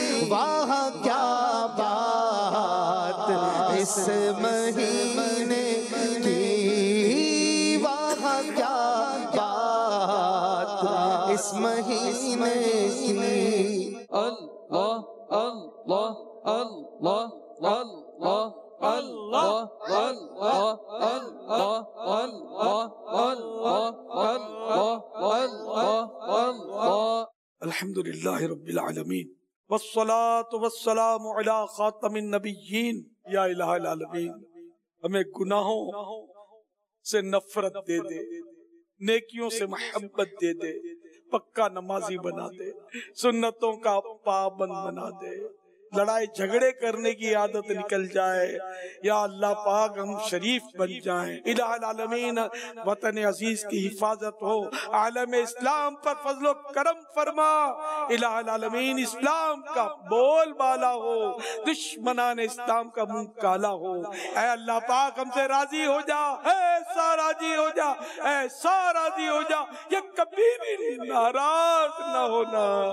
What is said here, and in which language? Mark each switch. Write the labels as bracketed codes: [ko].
[ur] वाह क्या बात इस महीने की, वाह क्या बात इस महीने की। [ar] अल्लाह अल्लाह अल्लाह अल्लाह अल्लाह अल्लाह अल्लाह अल्लाह अल्लाह अल्लाह अल्लाह अल्लाह। الحمد لله رب العالمين والصلاة والسلام على خاتم النبيين يا إله العالمين। [ur] ہمیں گناہوں سے نفرت دے دے, نیکیوں سے محبت دے دے, پکا نمازی بنا دے, سنتوں کا پابند بنا دے, لڑائی جھگڑے کرنے کی عادت نکل جائے۔ یا اللہ پاک ہم شریف بن جائیں۔ الہ العالمین وطن عزیز کی حفاظت ہو, عالم اسلام پر فضل و کرم فرما۔ الہ العالمین اسلام کا بول بالا ہو, دشمنان اسلام کا منہ کالا ہو۔ اے اللہ پاک ہم سے راضی ہو جا, ایسا راضی ہو جا, ایسا راضی ہو جا کہ کبھی بھی ناراض نہ ہونا,